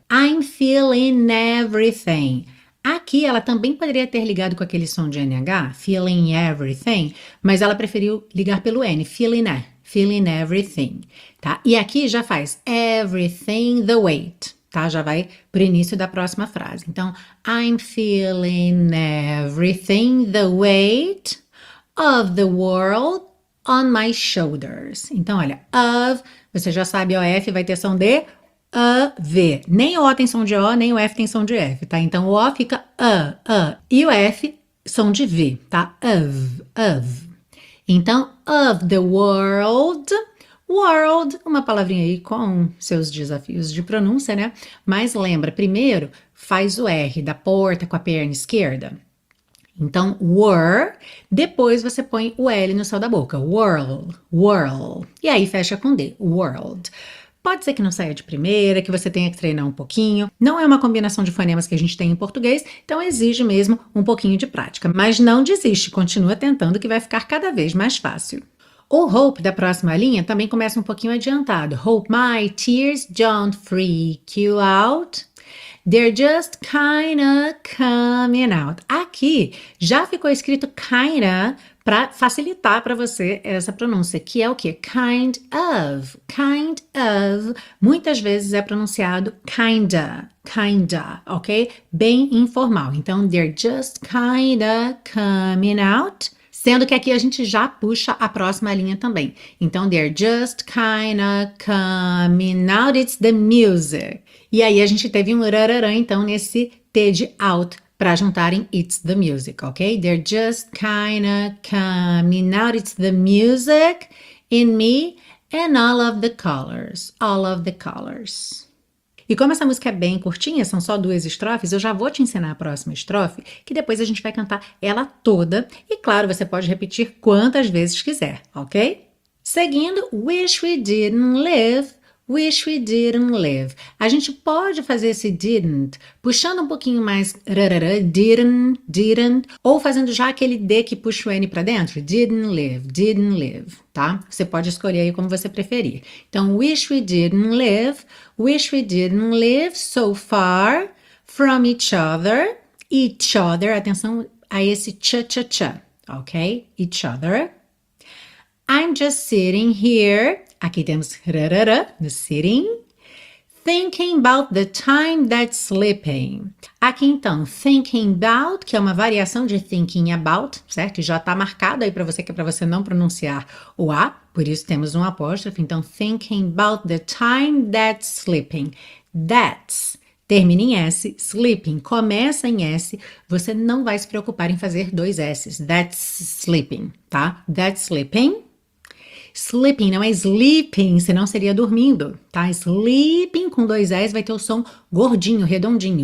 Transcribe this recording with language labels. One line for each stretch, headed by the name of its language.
English: I'm feeling everything.
Portuguese: Aqui ela também poderia ter ligado com aquele som de NH,
English: feeling everything,
Portuguese: mas ela preferiu ligar pelo N, feeling everything, tá? E aqui já faz
English: everything the weight.
Portuguese: Tá? Já vai para o início da próxima frase. Então,
English: I'm feeling everything the weight of the world on my shoulders.
Portuguese: Então, olha, of, você já sabe, OF vai ter som de V. Nem o tem som de O, nem o F tem som de F, tá? Então, o O fica E o F, som de V, tá?
English: Of.
Portuguese: Então,
English: of the world.
Portuguese: World, uma palavrinha aí com seus desafios de pronúncia, né? Mas lembra, primeiro faz o R da porta com a perna esquerda. Então, were, depois você põe o L no céu da boca. World, world. E aí fecha com D, world. Pode ser que não saia de primeira, que você tenha que treinar um pouquinho. Não é uma combinação de fonemas que a gente tem em português, então exige mesmo um pouquinho de prática. Mas não desiste, continua tentando que vai ficar cada vez mais fácil. O Hope da próxima linha também começa um pouquinho adiantado.
English: Hope my tears don't freak you out. They're just kinda coming out.
Portuguese: Aqui já ficou escrito kinda para facilitar para você essa pronúncia, que é o quê?
English: Kind of. Kind of.
Portuguese: Muitas vezes é pronunciado
English: kinda, kinda, ok?
Portuguese: Bem informal. Então,
English: they're just kinda coming out.
Portuguese: Sendo que aqui a gente já puxa a próxima linha também. Então,
English: they're just kinda coming out, it's the music.
Portuguese: E aí a gente teve um rarará então nesse T de out para juntarem
English: it's the music,
Portuguese: ok?
English: They're just kinda coming out, it's the music in me and all of the colors. All of the colors.
Portuguese: E como essa música é bem curtinha, são só duas estrofes, eu já vou te ensinar a próxima estrofe, que depois a gente vai cantar ela toda. E claro, você pode repetir quantas vezes quiser, ok?
English: Seguindo, wish we didn't live, wish we didn't live.
Portuguese: A gente pode fazer esse didn't puxando um pouquinho mais, rarara, didn't, didn't, ou fazendo já aquele D que puxa o N para dentro,
English: didn't live,
Portuguese: didn't live. Tá? Você pode escolher aí como você preferir. Então,
English: wish we didn't live, wish we didn't live so far from each other,
Portuguese: atenção a esse cha-cha-cha,
English: ok? Each other. I'm just sitting here,
Portuguese: aqui temos rarara, no
English: sitting, thinking about the time that's slipping.
Portuguese: Aqui então,
English: thinking about,
Portuguese: que é uma variação de thinking about, certo? Já tá marcado aí para você, que é para você não pronunciar o A, por isso temos um apóstrofe. Então,
English: thinking about the time that's slipping.
Portuguese: That's, termina em S, slipping, começa em S, você não vai se preocupar em fazer dois S's.
English: That's slipping,
Portuguese: tá? That's slipping. Sleeping, não é sleeping, senão seria dormindo, tá? Sleeping com dois S vai ter o som gordinho, redondinho.